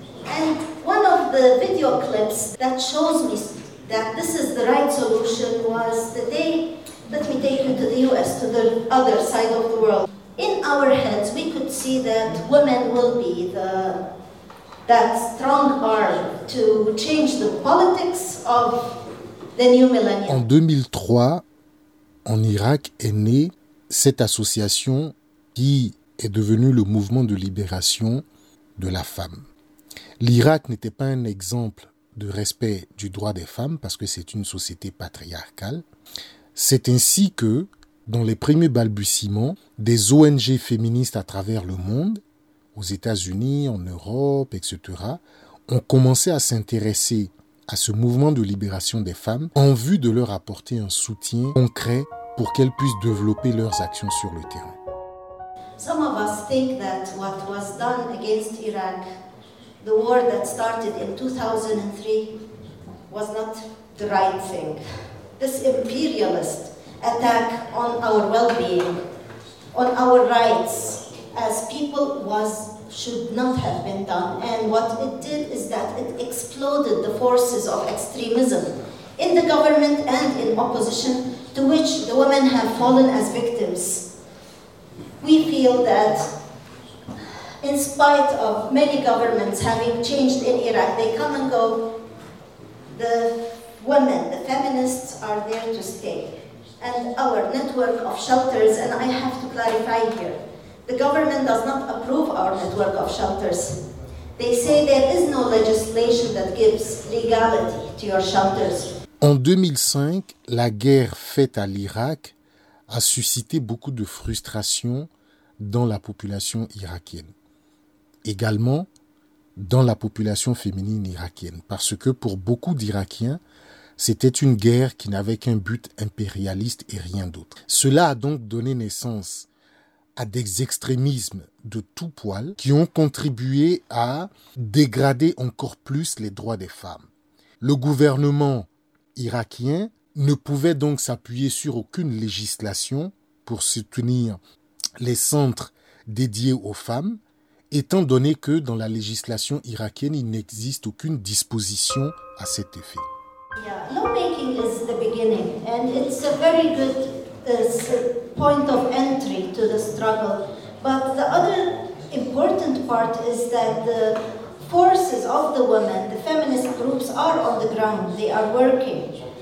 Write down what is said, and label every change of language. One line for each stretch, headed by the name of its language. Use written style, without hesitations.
English: And one of the video clips that shows me that this is the right solution was the day, let me take you to the US, to the other side of the world. In our heads, we could see that women will be that strong arm to change the politics of the new millennium.
French: En 2003, en Irak est née cette association qui est devenu le mouvement de libération de la femme. L'Irak n'était pas un exemple de respect du droit des femmes parce que c'est une société patriarcale. C'est ainsi que, dans les premiers balbutiements, des ONG féministes à travers le monde, aux États-Unis, en Europe, etc., ont commencé à s'intéresser à ce mouvement de libération des femmes en vue de leur apporter un soutien concret pour qu'elles puissent développer leurs actions sur le terrain.
English: Some of us think that what was done against Iraq, the war that started in 2003, was not the right thing. This imperialist attack on our well-being, on our rights as people should not have been done. And what it did is that it exploded the forces of extremism in the government and in opposition, to which the women have fallen as victims. We feel that in spite of many governments having changed in Iraq, they come and go, the women, the feminists are there to stay. And our network of shelters, and I have to clarify here, the government does not approve our network of shelters. They say there is no legislation that gives legality to your shelters.
French: En 2005, la guerre faite à l'Irak a suscité beaucoup de frustration dans la population irakienne, également dans la population féminine irakienne, parce que pour beaucoup d'Irakiens, c'était une guerre qui n'avait qu'un but impérialiste et rien d'autre. Cela a donc donné naissance à des extrémismes de tout poil qui ont contribué à dégrader encore plus les droits des femmes. Le gouvernement irakien ne pouvait donc s'appuyer sur aucune législation pour soutenir les centres dédiés aux femmes, étant donné que dans la législation irakienne, il n'existe aucune disposition à cet effet.
English: Yeah, lawmaking is the beginning, and it's a very good point of entry to the struggle. But the other important part is that the forces of the women, the feminist groups, are on the ground. They are working.